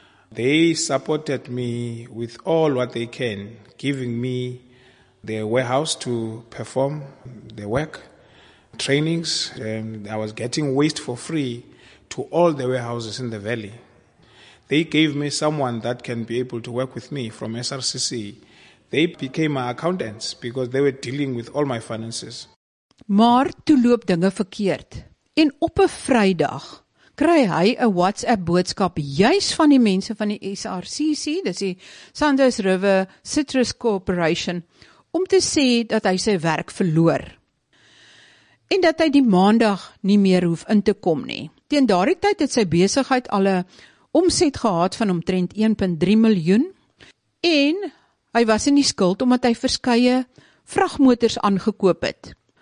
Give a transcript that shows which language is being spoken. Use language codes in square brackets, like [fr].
[en] They supported me with all what they can, giving me the warehouse to perform the work, trainings. And I was getting waste for free to all the warehouses in the valley. They gave me someone that can be able to work with me from SRCC. They became my accountants because they were dealing with all my finances. [af] Maar toe loop dinge verkeerd. En op 'n Vrydag kry hy 'n WhatsApp boodskap juis van die mense van die SRCC, dis die Sandows River Citrus Corporation, om te sê dat hy sy werk verloor. En dat hy die Maandag nie meer hoef in te kom nie. Teen daardie tyd het sy besigheid al 'n omset gehad van omtrent 1.3 miljoen en hy was in die skuld omdat hy verskeie vragmotors aangekoop het.